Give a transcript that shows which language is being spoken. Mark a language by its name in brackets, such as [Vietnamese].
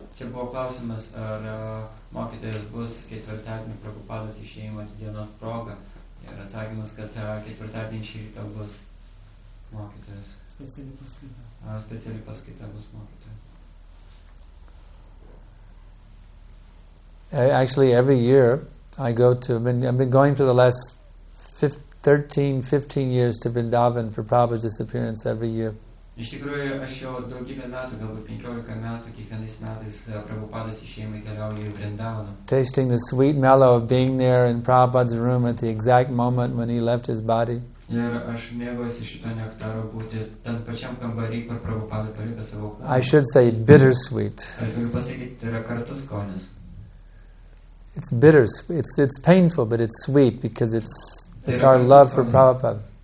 [Lithuanian] Čia buvo klausimas, ar mokytojas bus ketvirtadienį Prabhupados išėjimo dienos proga. Ir atsakymas, kad ketvirtadienį šį rytą bus mokytojas. Speciali paskaita. Speciali paskaita bus mokytojas. [English] Actually, every year I go to, I've been going for the last 15 years to Vrindavan for Prabhupada's disappearance every year. [Lithuanian] Iš tikrųjų, aš jau daugybę metų, galbūt 15 metų, kiekvienais metais Prabhupada's išėjimą keliauju į Vrindavaną. [English] Tasting the sweet mellow of being there in Prabhupada's room at the exact moment when he left his body. [Lithuanian] Ir aš mėgausi šito nektaro būti ten pačiam kambarį, kur Prabhupada palikė savo kūną. [English] I should say bittersweet. [Lithuanian] Aš galiu pasakyti, tai yra kartus skonis. [English] It's bitter, it's painful, but it's sweet because it's our love for Prabhupada.